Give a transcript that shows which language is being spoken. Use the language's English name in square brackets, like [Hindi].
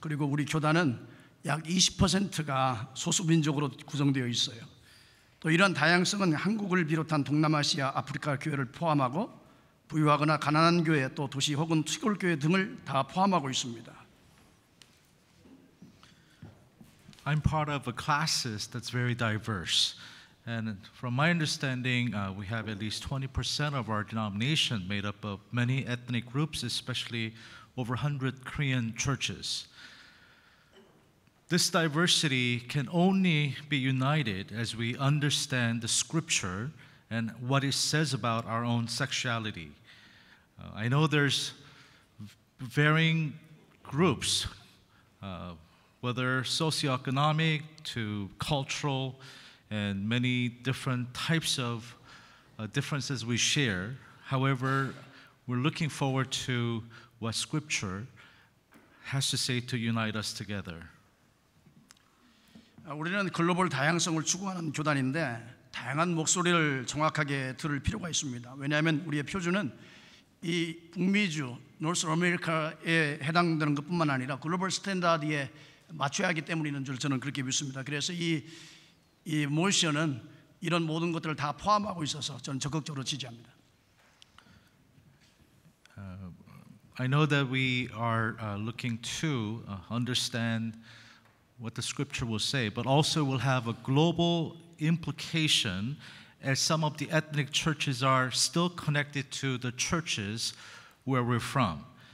[Korean] 그리고 우리 교단은 약 20%가 소수민족으로 구성되어 있어요. 또 이런 다양성은 한국을 비롯한 동남아시아, 아프리카 교회를 포함하고 부유하거나 가난한 교회 또 도시 혹은 시골 교회 등을 다 포함하고 있습니다. [English] I'm part of a classes that's very diverse. And from my understanding, we have at least 20% of our denomination made up of many ethnic groups, especially over 100 Korean churches. This diversity can only be united as we understand the scripture and what it says about our own sexuality. I know there's varying groups, whether socioeconomic to cultural, and many different types of differences we share. However, we're looking forward to what scripture has to say to unite us together. [Korean] 우리는 글로벌 다양성을 추구하는 교단인데 다양한 목소리를 정확하게 들을 필요가 있습니다. 왜냐하면 우리의 표준은 이 북미주, North America에 해당되는 것뿐만 아니라 글로벌 스탠다드에 맞춰야 하기 때문인 줄 저는 그렇게 믿습니다. 그래서 이 모션은 이런 모든 것들을 다 포함하고 있어서 저는 적극적으로 지지합니다. [English] I know that we are looking to understand what the scripture will say, but also will have a global implication as some of the ethnic churches are still connected to the churches where we're from.